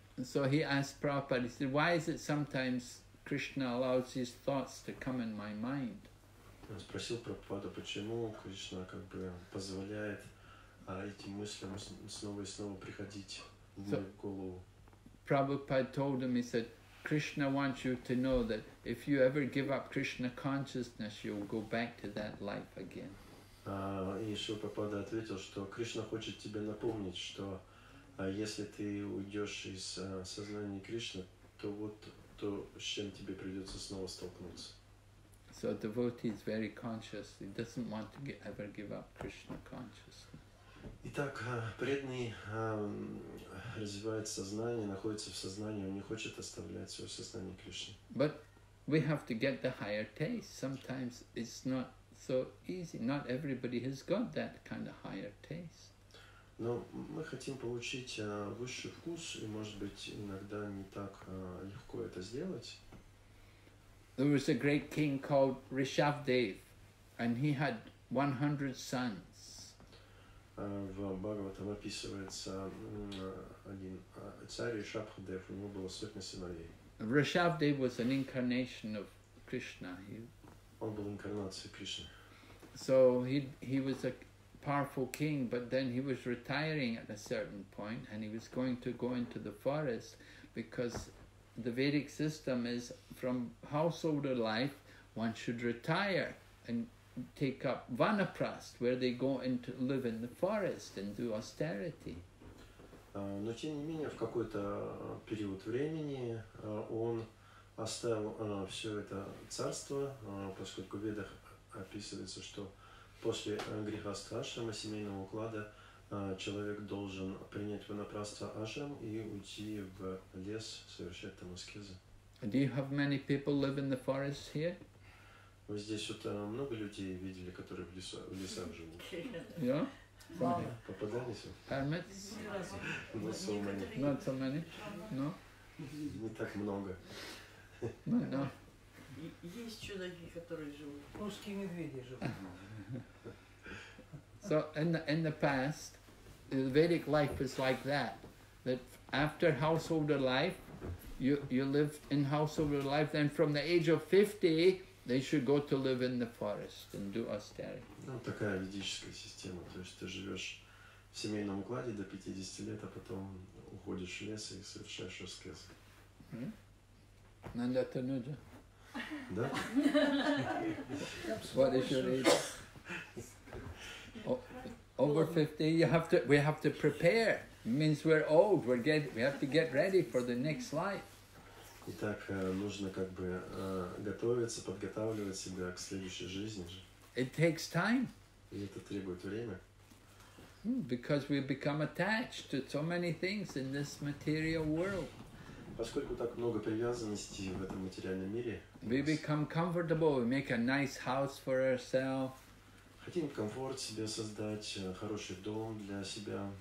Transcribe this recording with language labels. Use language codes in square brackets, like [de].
[en] So he asked Prabhupada, he said, why is it sometimes Krishna allows his thoughts to come in my mind. [ru] Я спросил Прабхупаду, почему Кришна как бы позволяет этим мыслям снова и снова приходить в мою голову. [en] Prabhupada told him, he said, Krishna wants you to know that if you ever give up Krishna consciousness, you'll go back to that life again. [ru] И Шрила Прабхупада ответил, что Кришна хочет тебе напомнить, что если ты уйдешь из сознания Кришны, то вот то, с чем тебе придется снова столкнуться. [en] So a devotee is very conscious. He doesn't want to ever give up Krishna consciousness. [ru] Итак, преданный развивает сознание, находится в сознании, он не хочет оставлять свое сознание Кришны. [en] But we have to get the higher taste. Sometimes it's not so easy. Not everybody has got that kind of higher taste. [ru] Но мы хотим получить высший вкус, и, может быть, иногда не так легко это сделать. [en] There was a great king called Rishabhdev, and he had 100 sons. [ru] В Бхагаватам описывается один царь Ришабхдев, у него было сотни сыновей. [en] Rishabhdev was an incarnation of Krishna. [ru] Он был инкарнацией Кришны. [en] So he was a powerful king, but then he was retiring at a certain point, and he was going to go into the forest because the Vedic system is from householder life, one should retire and take up vanaprast, where they go into live in the forest and do austerity. [ru] Но тем не менее, в какой-то период времени он оставил все это царство, поскольку в Ведах описывается, что после грехастхашрама, семейного уклада, человек должен принять ванапрастха ашрам и уйти в лес, совершать там аскезы. [en] Do you have many people live in the forest here? [ru] Вы здесь вот много людей видели, которые в лесах живут? [en] Yeah? [ru] Попадались? [en] Hermits? Not so many. Not so many? No? [ru] Не так много. [en] No, no. [ru] Есть чудаки, которые живут. Русские медведи живут. [en] So, in the past, the Vedic life is like that. That after householder life, you live in householder life, then from the age of 50, they should go to live in the forest and do austerity. [ru] Ну, такая ведическая система. То есть ты живешь в семейном укладе до 50 лет, а потом уходишь в лес и совершаешь аскез. Нанда Тануджа. Да? [en] What is your age? Over 50, we have to prepare. It means we're old. We have to get ready for the next life. [ru] Итак, нужно как бы готовиться, подготавливать себя к следующей жизни. [en] It takes time. [ru] И это требует время. [en] Because we become attached to so many things in this material world. [ru] Поскольку так много привязанностей в этом материальном мире. [en] We become comfortable. We make a nice house for ourselves. [ru] Хотим комфорт себе создать, хороший дом для себя.